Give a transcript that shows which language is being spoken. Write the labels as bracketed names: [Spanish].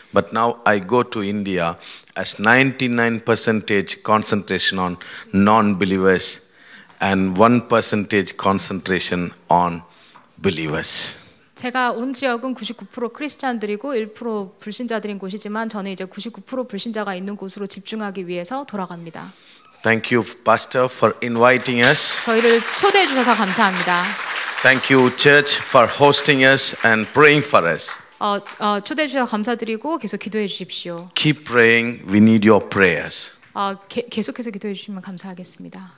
[English] But now I go to India as 99% concentration on non-believers and 1% concentration on believers. [Korean] 제가 온 지역은 99% 크리스찬들이고 1% 불신자들인 곳이지만 저는 이제 99% 불신자가 있는 곳으로 집중하기 위해서 돌아갑니다. [English] Thank you, Pastor, for inviting us. [Korean] 저희를 초대해 주셔서 감사합니다. [English] Thank you, Church, for hosting us and praying for us. [Korean] 초대해 주셔서 감사드리고 계속 기도해 주십시오. [English] Keep praying. We need your prayers. [Korean] 계속해서 기도해 주시면 감사하겠습니다.